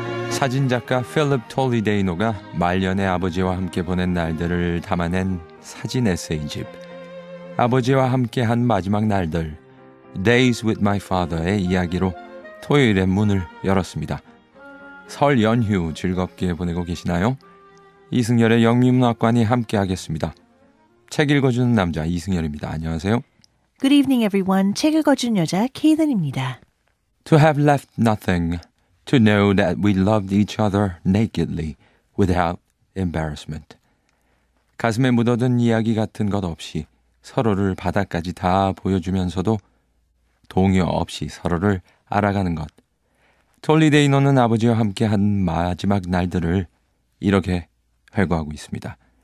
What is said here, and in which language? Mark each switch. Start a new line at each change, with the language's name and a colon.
Korean: 사진작가 필립 톨리데이노가 말년에 아버지와 함께 보낸 날들을 담아낸 사진 에세이집 아버지와 함께한 마지막 날들 Days with my father의 이야기로 토요일에 문을 열었습니다. 설 연휴 즐겁게 보내고 계시나요? 이승열의 영미문학관이 함께하겠습니다. 책 읽어주는 남자 이승열입니다. 안녕하세요.
English: Good evening, everyone.
Korean: 책 읽어주는 여자 케이든입니다.
English: To have left nothing, to know that we loved each other nakedly, without embarrassment.
Korean: 가슴에 묻어든 이야기 같은 것 없이 서로를 바닥까지 다 보여주면서도 동요 없이 서로를 알아가는 것. 톨리데이노는 아버지와 함께한 마지막 날들을 이렇게 회고하고 있습니다.